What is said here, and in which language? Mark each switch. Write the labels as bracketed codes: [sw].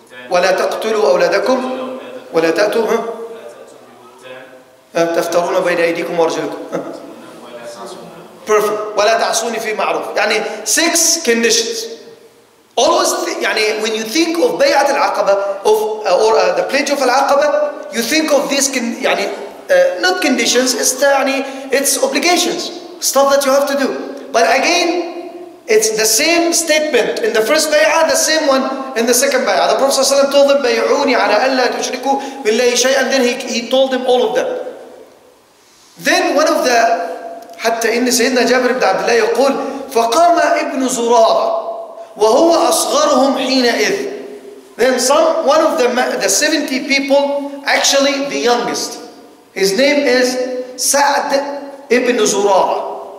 [ar] ولا تقتلوا أولادكم ولا تأتوا ها تفترون بين أيديكم وأرجلكم. [en] Perfect. [ar] ولا تعصوني في معروف. [en] يعني six conditions always. يعني when you think of بيعة العقبة of or the pledge of العقبة, you think of these يعني not conditions, it's يعني it's obligations, stuff that you have to do. But again, it's the same statement in the first bay'ah, the same one in the second bay'ah. The Prophet ﷺ told them, [ar] بَيْعُونِ عَلَىٰ أَلَّا تُشْرِكُوا بِاللَّهِ شَيْئًا. [en] Then he told them all of them. Then one of the, [ar] حَتَّى إِنِّ سَيِّدْنَا جَابِرِ بْنَ عَبْدِ اللَّهِ يَقُولُ فَقَامَ إِبْنُ زُرَارَ وَهُوَ أَصْغَرُهُمْ حِينَئِذٍ. [en] Then one of the 70 people, actually the youngest. His name is Sa'd ibn Zurara.